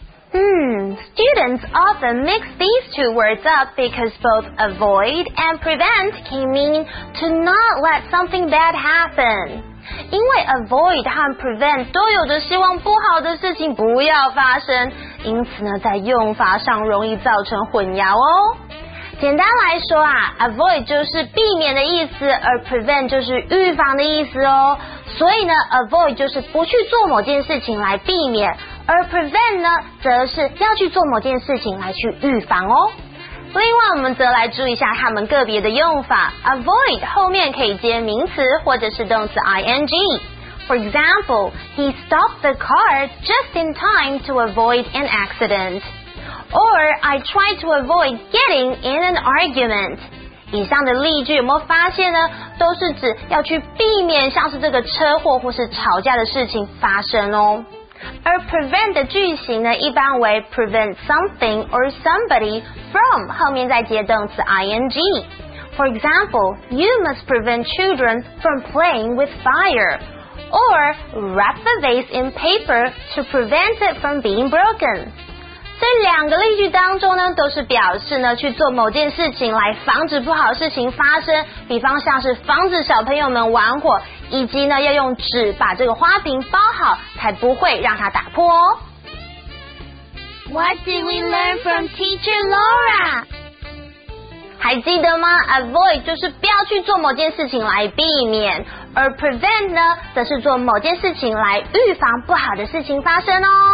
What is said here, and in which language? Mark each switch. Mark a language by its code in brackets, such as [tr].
[en] Students often mix these two words up because both avoid and prevent can mean to not let something bad happen. [zh] 因为 avoid 和 prevent 都有着希望不好的事情不要发生，因此呢，在用法上容易造成混淆哦。简单来说啊， avoid 就是避免的意思，而 prevent 就是预防的意思哦。所以呢， avoid 就是不去做某件事情来避免，而 prevent 呢，则是要去做某件事情来去预防哦。另外我们则来注意一下他们个别的用法。Avoid 后面可以接名词或者是动词 ing。 [en] For example, he stopped the car just in time to avoid an accident. Or, I tried to avoid getting in an argument. [zh] 以上的例句有没有发现呢？都是指要去避免像是这个车祸或是吵架的事情发生哦。而 prevent 的句型呢，一般为 [en] prevent something or somebody from [zh] 后面再接动词 ing。 [en] For example, you must prevent children from playing with fire. Or wrap the vase in paper to prevent it from being broken. [zh] 这两个例句当中呢，都是表示呢去做某件事情来防止不好事情发生，比方像是防止小朋友们玩火，以及呢要用纸把这个花瓶包好，才不会让它打破哦。 [en] What did we learn from Teacher Laura? [zh] 还记得吗？ Avoid 就是不要去做某件事情来避免，而 prevent 呢，则是做某件事情来预防不好的事情发生哦。